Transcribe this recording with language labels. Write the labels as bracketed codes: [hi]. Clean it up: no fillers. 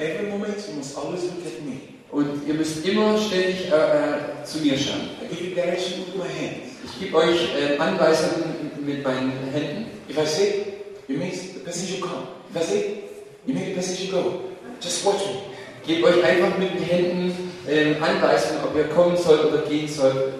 [en] Every moment you must always look at me. [de] Und ihr müsst immer ständig zu mir schauen. [en] I give you direction with my hands. [de] Ich gebe euch Anweisungen mit meinen Händen. [en] If I say, you make the passenger come. If I say, you make the passenger go. Just watch me. [de] Gebt euch einfach mit den Händen Anweisungen, ob ihr kommen sollt oder gehen sollt.